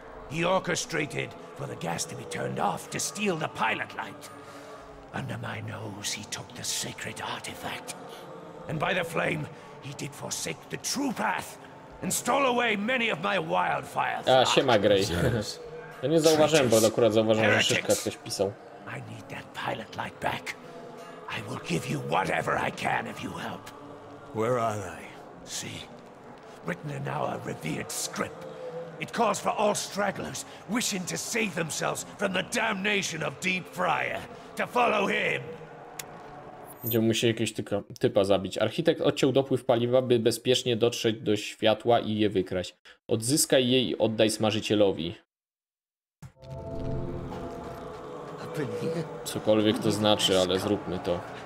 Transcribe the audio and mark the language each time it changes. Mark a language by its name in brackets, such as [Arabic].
[English] He orchestrated for the gas to be turned off to steal the pilot light. Under my nose, he took the sacred artifact. And by the flame, he did forsake the true path and stole away many of my wildfire [Polish] thoughts. A, siema, Grey. Ja nie zauważyłem, bo akurat zauważyłem, że Szyszka coś pisał. [English] I need that pilot light back. I will give you whatever I can if you help. Where are they? See, written in our revered script. It calls for all stragglers wishing to save themselves from the damnation of Deep Friar to follow him. [Polish] Będziemy musieli jakiegoś typa zabić. Architekt odciął dopływ paliwa, by bezpiecznie dotrzeć do światła i je wykraść. Odzyskaj je i oddaj smażycielowi. Cokolwiek to znaczy, ale zróbmy to.